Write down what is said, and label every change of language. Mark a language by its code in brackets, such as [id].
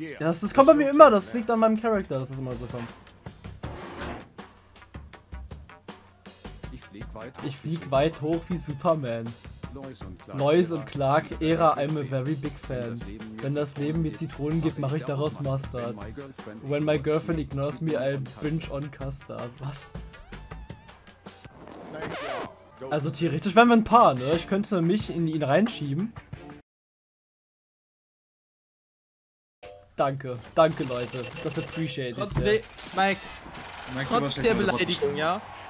[de] Ja, das kommt bei mir immer, das liegt an meinem Charakter, dass das immer so kommt. Ich flieg weit hoch wie Superman. Lois und Clark, Era, [en] I'm a very big fan. [de] Wenn das Leben mir Zitronen gibt, mache ich daraus Mustard. [en] When my girlfriend ignores me, I'll binge on custard. [de] Was? Also theoretisch wären wir ein Paar, ne? Ich könnte mich in ihn reinschieben. Danke, danke Leute. Das appreciate ich sehr. Mike, trotz der Beleidigung, ja?